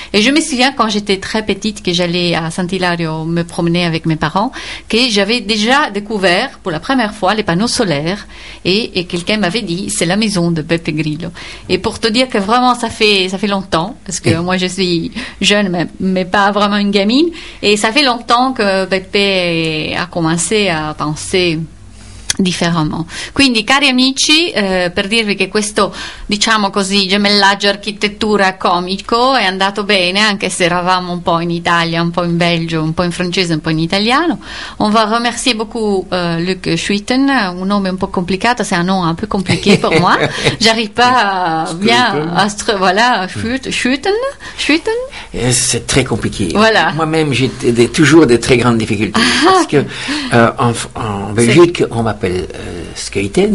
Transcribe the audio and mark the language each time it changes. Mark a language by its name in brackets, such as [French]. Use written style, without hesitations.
[French] Et je me souviens, quand j'étais très petite, que j'allais à Saint-Hilario me promener avec mes parents, que j'avais déjà découvert pour la première fois les panneaux solaires et quelqu'un m'avait dit, c'est la maison de Beppe Grillo. Et pour te dire que vraiment, ça fait longtemps, parce que moi, je suis jeune, mais pas vraiment une gamine, et ça fait longtemps que Beppe a commencé à penser différemment. [Italian] Quindi, cari amici, per dirvi che questo, diciamo così, gemellaggio architettura comico è andato bene, anche se eravamo un po' in Italia, un po' in Belgio, un po' in francese, un po' in italiano. [French] On va remercier beaucoup [Italian] Luc Schuiten, un nome un po' complicato, c'è un nome un po' complicato per [French] moi. J'arrive pas bien à ce voilà, Schuiten. C'est très compliqué. Voilà. Moi-même, j'ai toujours des très grandes difficultés parce que en Belgique, on m'appelle Schuiten.